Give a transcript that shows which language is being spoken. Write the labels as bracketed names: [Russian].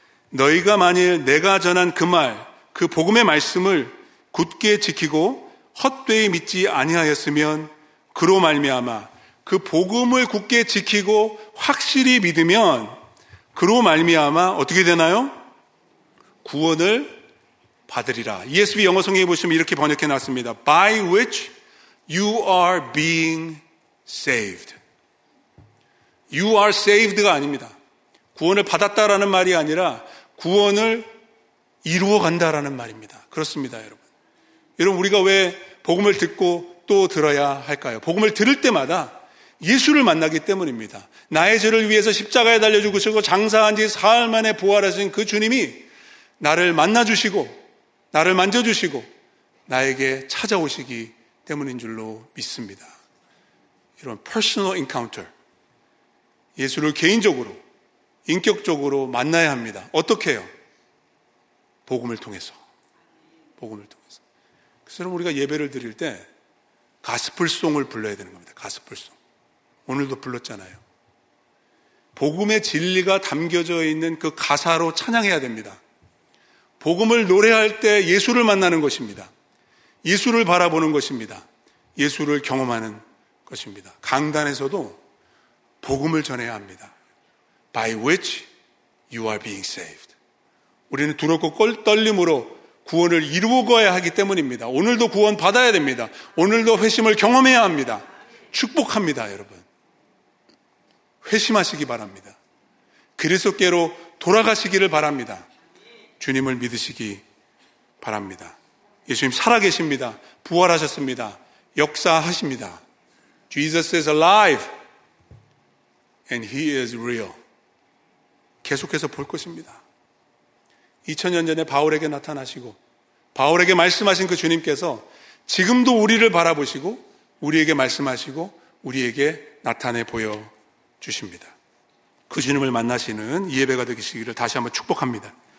[Korean] 너희가 만일 내가 전한 그 말, 그 복음의 말씀을 굳게 지키고 헛되이 믿지 아니하였으면 그로 말미암아, 그 복음을 굳게 지키고 확실히 믿으면 그로 말미암아 어떻게 되나요? 구원을 받으리라. ESV 영어 성경에 보시면 이렇게 번역해 놨습니다. [English] By which you are being saved. You are saved [Korean] 가 아닙니다. 구원을 받았다라는 말이 아니라 구원을 이루어간다라는 말입니다. 그렇습니다, 여러분. 여러분, 우리가 왜 복음을 듣고 또 들어야 할까요? 복음을 들을 때마다 예수를 만나기 때문입니다. 나의 죄를 위해서 십자가에 달려주시고 장사한 지 사흘 만에 부활하신 그 주님이 나를 만나주시고 나를 만져주시고 나에게 찾아오시기 때문인 줄로 믿습니다. 이런 personal encounter, 예수를 개인적으로 인격적으로 만나야 합니다. 어떻게 해요? 복음을 통해서. 복음을 통해서. 그래서 우리가 예배를 드릴 때 가스플송을 불러야 되는 겁니다. 가스플송. 오늘도 불렀잖아요. 복음의 진리가 담겨져 있는 그 가사로 찬양해야 됩니다. 복음을 노래할 때 예수를 만나는 것입니다. 예수를 바라보는 것입니다. 예수를 경험하는 것입니다. 강단에서도 복음을 전해야 합니다. [English] By which you are being saved. [Korean] 우리는 두렵고 떨림으로 구원을 이루어가야 하기 때문입니다. 오늘도 구원 받아야 됩니다. 오늘도 회심을 경험해야 합니다. 축복합니다, 여러분. 회심하시기 바랍니다. 그리스도께로 돌아가시기를 바랍니다. 주님을 믿으시기 바랍니다. 예수님 살아계십니다. 부활하셨습니다. 역사하십니다. [English] Jesus is alive and he is real. [Korean] 계속해서 볼 것입니다. 2000년 전에 바울에게 나타나시고 바울에게 말씀하신 그 주님께서 지금도 우리를 바라보시고 우리에게 말씀하시고 우리에게 나타내 보여주십니다. 그 주님을 만나시는 이 예배가 되시기를 다시 한번 축복합니다.